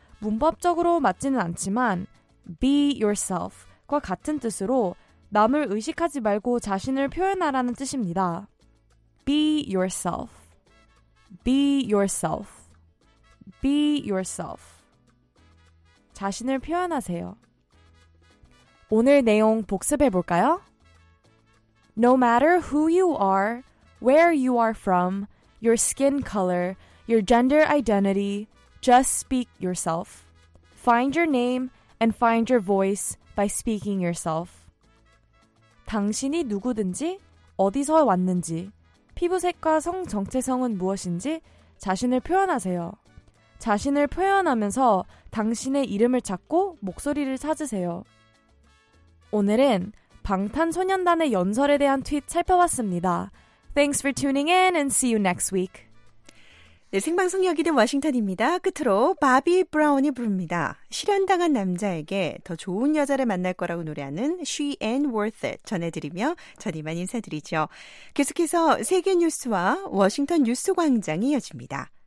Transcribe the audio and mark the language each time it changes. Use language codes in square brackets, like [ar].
[ko] 문법적으로 맞지는 않지만 be yourself과 같은 뜻으로 남을 의식하지 말고 자신을 표현하라는 뜻입니다. [en] Be yourself. Be yourself. Be yourself. [ko] 자신을 표현하세요. 오늘 내용 복습해 볼까요? [en] No matter who you are, where you are from, your skin color, your gender identity, just speak yourself. Find your name and find your voice by speaking yourself. [ko] 당신이 누구든지, 어디서 왔는지, 피부색과 성 정체성은 무엇인지 자신을 표현하세요. 자신을 표현하면서 당신의 이름을 찾고 목소리를 찾으세요. 오늘은 방탄소년단의 연설에 대한 트윗 살펴봤습니다. [en] Thanks for tuning in and see you next week. [ko] 네, 생방송 여기는 워싱턴입니다. 끝으로 바비 브라운이 부릅니다. 실현당한 남자에게 더 좋은 여자를 만날 거라고 노래하는 She Ain't Worth It 전해드리며 전 이만 인사드리죠. 계속해서 세계 뉴스와 워싱턴 뉴스 광장이 이어집니다.